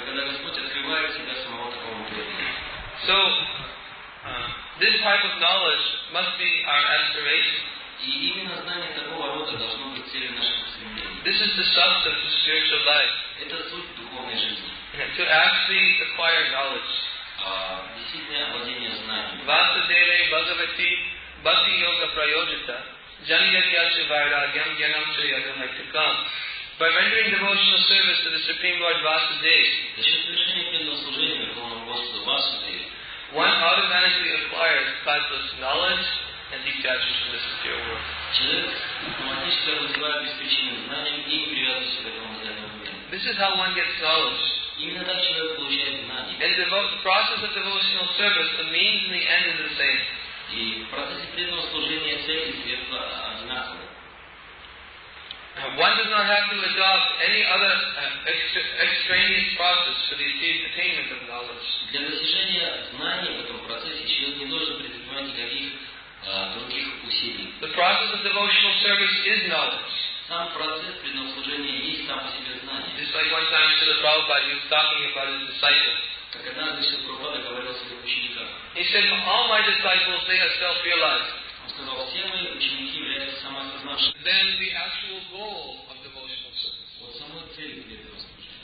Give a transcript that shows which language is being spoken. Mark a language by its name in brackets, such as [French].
[Russian] Когда Господь открывает себя самого такому преданному. [English] So this type of knowledge must be our aspiration. [Russian] И именно знание такого рода должно быть целью нашего стремления. [English] This is the substance of spiritual life. [Russian] Это суть духовной жизни. [English] To actually acquire knowledge. [Sanskrit] Vasudeva Bhagavati Bhakti Yoga Prayojita Janyakyachya Vairagyam Gyanam Chayadamaitakam. [English] By rendering devotional service to the Supreme Lord Vasudeva, one automatically acquires priceless knowledge and detaches from the material world. This is how one gets knowledge. [Russian] Именно так человек получает знания. [English] And the process of devotional service, the means and the end is the same. [Russian] И в процессе преданного служения цель и средства одинаковы. [English] One does not have to adopt any other extraneous process for the attainment of knowledge. [Russian] Для достижения знаний в этом процессе человек не должен предпринимать никаких других усилий. [English] The process of devotional service is knowledge. [Russian] Сам процесс преданного служения есть сам по себе знание. [English] Just like one time Srila Prabhupada was talking about his disciples. [Russian] Как однажды Srila Prabhupada говорил о своих учениках. [English] He said, all my disciples, they are self-realized. [Russian] Он сказал, все мои ученики являются самосознавшими. [English] Then the actual goal of devotional service. [Russian] Вот сама цель для этого служения.